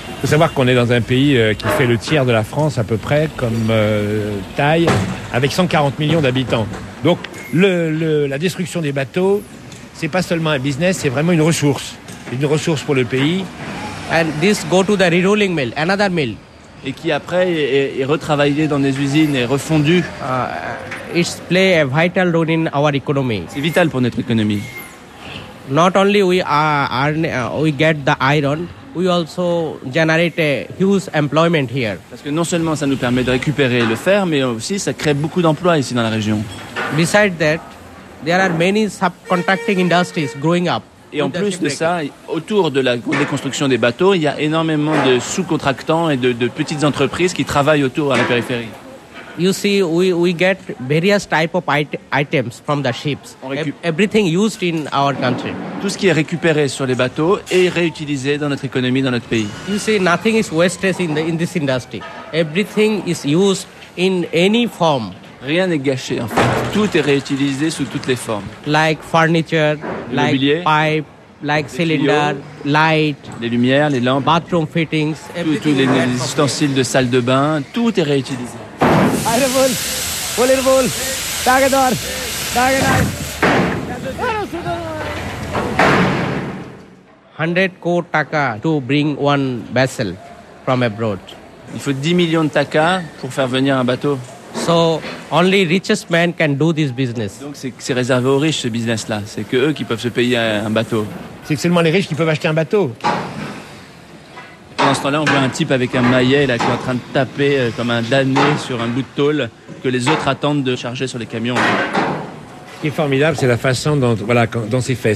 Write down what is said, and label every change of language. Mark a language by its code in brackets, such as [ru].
[fr] Il faut savoir qu'on est dans un pays qui fait le tiers de la France à peu près comme taille, avec 140 millions d'habitants. Donc la destruction des bateaux, c'est pas seulement un business, c'est vraiment une ressource. Une ressource pour le pays. [en] And this go to the rerolling mill, another mill. [fr] Et qui après est retravaillé dans des usines et refondu. [en] It play a vital role in our economy. [fr] C'est vital pour notre économie. [en] Not only we get the iron, we also generate a huge employment here. [fr] Parce que non seulement ça nous permet de récupérer le fer, mais aussi ça crée beaucoup d'emplois ici dans la région. [en] Besides that, there are many subcontracting industries growing up. [fr] Et en plus de ça, autour de la déconstruction des bateaux, il y a énormément de sous-contractants et de petites entreprises qui travaillent autour à la périphérie. [en] You see, we get various type of items from the ships. Everything used in our country. [fr] Tout ce qui est récupéré sur les bateaux est réutilisé dans notre économie, dans notre pays. [en] You see, nothing is wasted in this industry. Everything is used in any form. [fr] Rien n'est gâché, en fait. Tout est réutilisé sous toutes les formes. [en] Like furniture, like pipe, like cylinder, tuyaux, light. [fr] Les lumières, les lampes. [en] Bathroom fittings. [fr] Tous les ustensiles de salle de bain, tout est réutilisé. [en] Hundred crore taka to bring one vessel from abroad. [fr] Il faut 10 millions de taka pour faire venir un bateau. [en] So only richest man can do this business. [fr] Donc c'est réservé aux riches ce business-là. C'est que eux qui peuvent se payer un bateau. C'est que seulement les riches qui peuvent acheter un bateau. Pendant ce temps-là, on voit un type avec un maillet là, qui est en train de taper comme un damné sur un bout de tôle que les autres attendent de charger sur les camions. Ce qui est formidable, c'est la façon dont, voilà, dont c'est fait.